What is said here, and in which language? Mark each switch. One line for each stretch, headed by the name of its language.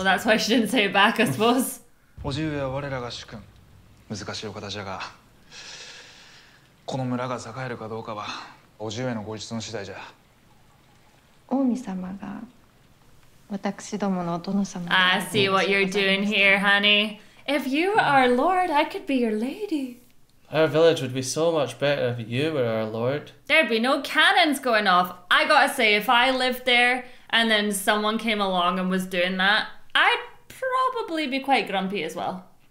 English: Well, that's why she didn't say it back, I suppose.
Japanese: おじ上は我らが主君。難しいお方じゃが、この村が栄えるかどうかは、おじ上のご一存次第じゃ。王美様が、私どものお殿様。
English: I see what you're doing here, honey. If you were our lord, I could be your lady. Our village would be so much better if you were our lord. There'd be no cannons going off. I gotta say, if I lived there and then someone came along and was doing that, I'd probably be quite grumpy as well.